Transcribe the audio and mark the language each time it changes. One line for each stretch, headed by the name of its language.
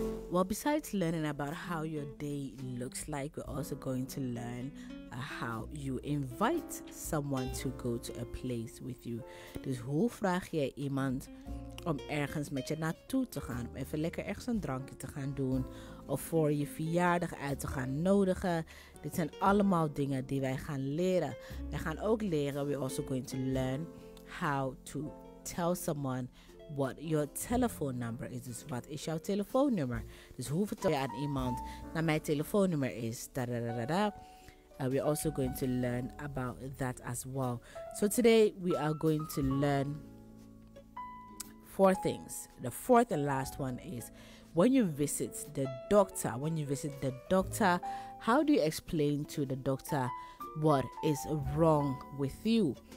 English: Well, besides learning about how your day looks like, we're also going to learn how you invite someone to go to a place with you.
Dutch: Dus hoe vraag je iemand om ergens met je naartoe te gaan? Om even lekker ergens een drankje te gaan doen? Of voor je verjaardag uit te gaan nodigen? Dit zijn allemaal dingen die wij gaan leren. Wij gaan ook leren,
English: we're also going to learn how to tell someone what your telephone number is.
Dutch: Dus wat is jouw telefoonnummer? Dus hoe vertel je aan iemand dat mijn telefoonnummer is?
English: We're also going to learn about that as well. So today we are going to learn four things. The fourth and last one is when you visit the doctor. When you visit the doctor, how do you explain to the doctor what is wrong with you?